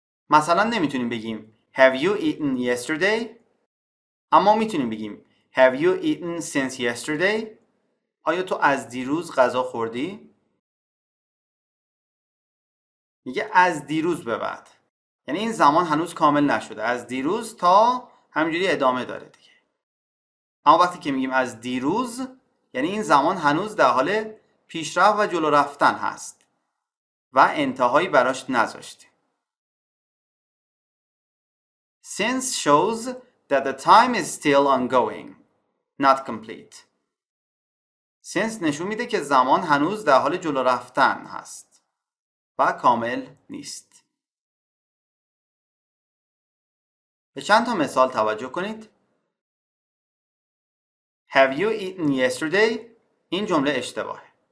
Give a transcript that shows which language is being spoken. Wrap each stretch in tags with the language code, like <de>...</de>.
<fa>مثلا نمیتونیم بگیم</fa> <en>Have you eaten yesterday؟</en> <fa>اما میتونیم بگیم</fa> <en>Have you eaten since yesterday؟</en> <fa>آیا تو از دیروز غذا خوردی؟ میگه از دیروز به بعد، یعنی این زمان هنوز کامل نشده، از دیروز تا همجوری ادامه داره دیگه. اما وقتی که میگیم از دیروز، یعنی این زمان هنوز در حال پیشرفت و جلو رفتن هست و انتهایی براش نذاشتیم.</fa> <en>Since shows that the time is still ongoing, not complete.</en> <fa>Since نشون میده که زمان هنوز در حال جلو رفتن هست و کامل نیست. به چند تا مثال توجه کنید.</fa> <en>Have you eaten yesterday?</en> <fa>این جمله اشتباه.</fa>